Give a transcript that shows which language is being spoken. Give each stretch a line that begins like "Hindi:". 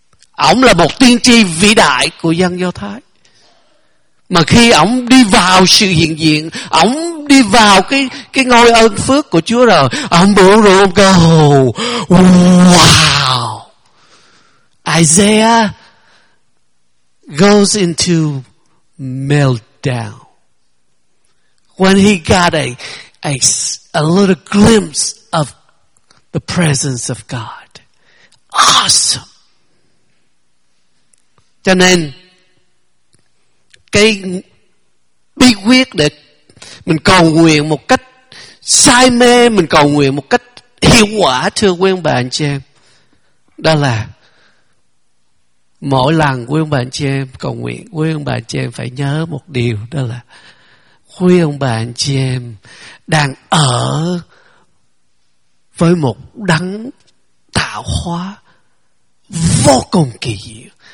Vietnamese: Ông là một tiên tri vĩ đại của dân Do Thái, mà khi ông đi vào sự hiện diện, ông đi vào cái ngôi ân phước của Chúa rồi, ông bận rộn cơ hồ,
English: wow, Isaiah goes into meltdown. When he got a little glimpse of the presence of God. Awesome.
Vietnamese: Cho nên cái bí quyết để mình cầu nguyện một cách say mê, mình cầu nguyện một cách hiệu quả, thưa quý ông bà anh chị em, đó là mỗi lần quý ông bà anh chị em cầu nguyện, quý ông bà anh chị em phải nhớ một điều, đó là quý ông bà anh chị em đang ở với một đấng tạo hóa vô cùng kỳ diệu.